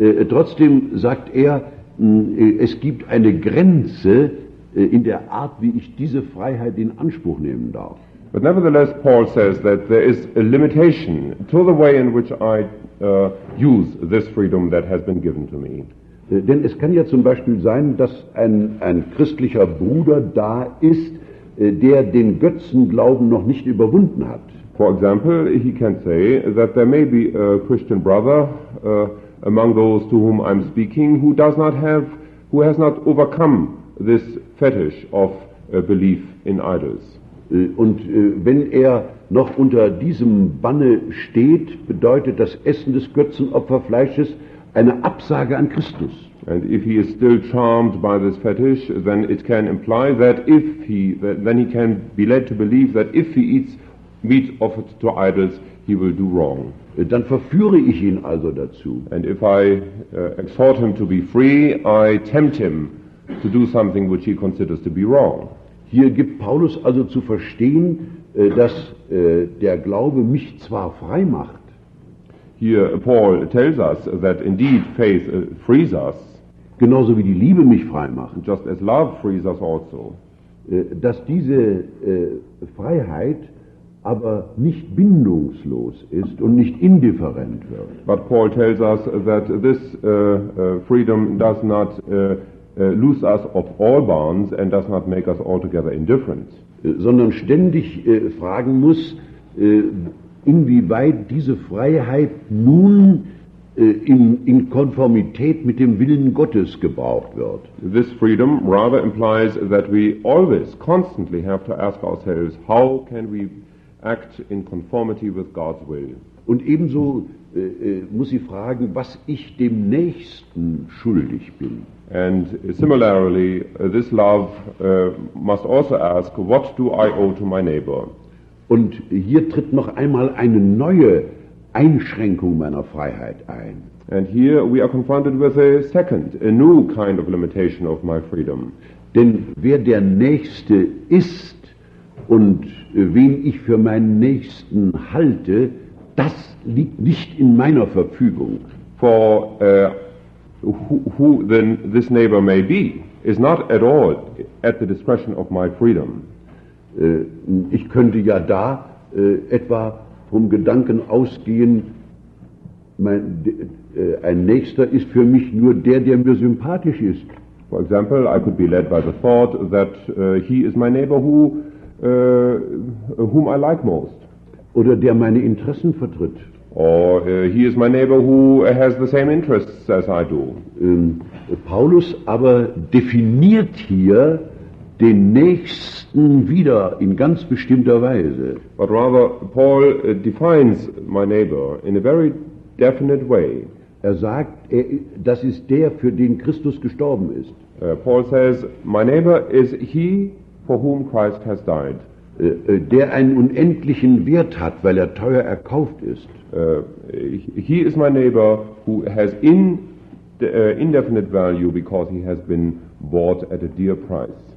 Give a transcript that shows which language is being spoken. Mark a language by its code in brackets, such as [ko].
[de] Trotzdem sagt er, es gibt eine Grenze in der Art, wie ich diese Freiheit in Anspruch nehmen darf. [en] But nevertheless, Paul says that there is a limitation to the way in which I use this freedom that has been given to me. [de] Denn es kann ja zum Beispiel sein, dass ein christlicher Bruder da ist, der den Götzenglauben noch nicht überwunden hat. [en] For example, he can say that there may be a Christian brother among those to whom I'm speaking who does not have, who has not overcome this fetish of belief in idols. [de] Und wenn er noch unter diesem Banne steht, bedeutet das Essen des Götzenopferfleisches eine Absage an Christus. [en] And if he is still charmed by this fetish, then it can imply that if he, then he can be led to believe that if he eats meat offered to idols, he will do wrong. [de] Dann verführe ich ihn also dazu. [en] And if I exhort him to be free, I tempt him to do something which he considers to be wrong. [de] Hier gibt Paulus also zu verstehen, dass der Glaube mich zwar frei macht. [en] Here Paul tells us that indeed faith frees us, [de] genauso wie die Liebe mich frei macht, [en] just as love frees us also, [de] dass diese Freiheit aber nicht bindungslos ist und nicht indifferent wird. [en] But Paul tells us that this freedom does not loose us of all bonds and does not make us altogether indifferent, [de] sondern ständig fragen muss, inwieweit diese Freiheit nun in Konformität mit dem Willen Gottes gebraucht wird. [en] This freedom rather implies that we always constantly have to ask ourselves, how can we act in conformity with God's will? [de] Und ebenso muss sie fragen, was ich dem Nächsten schuldig bin. [en] And similarly, this love must also ask, what do I owe to my neighbor? [de] Und hier tritt noch einmal eine neue Einschränkung meiner Freiheit ein. [en] And here we are confronted with a second, a new kind of limitation of my freedom. [de] Denn wer der Nächste ist und wen ich für meinen Nächsten halte, das liegt nicht in meiner Verfügung. [en] For who then this neighbor may be is not at all at the discretion of my freedom. [de] Ich könnte ja da etwa vom Gedanken ausgehen, ein Nächster ist für mich nur der, der mir sympathisch ist. [en] For example, I could be led by the thought that he is my neighbor who, whom I like most. [de] Oder der meine Interessen vertritt. [en] Or he is my neighbor who has the same interests as I do. [de] Paulus aber definiert hier den Nächsten wieder in ganz bestimmter Weise. [en] But rather, Paul defines my neighbor in a very definite way. [de] Er sagt, das ist der, für den Christus gestorben ist. [en] Paul says, my neighbor is he for whom Christ has died. [de] Der einen unendlichen Wert hat, weil er teuer erkauft ist. [en] He is my neighbor who has indefinite value because he has been bought at a dear price.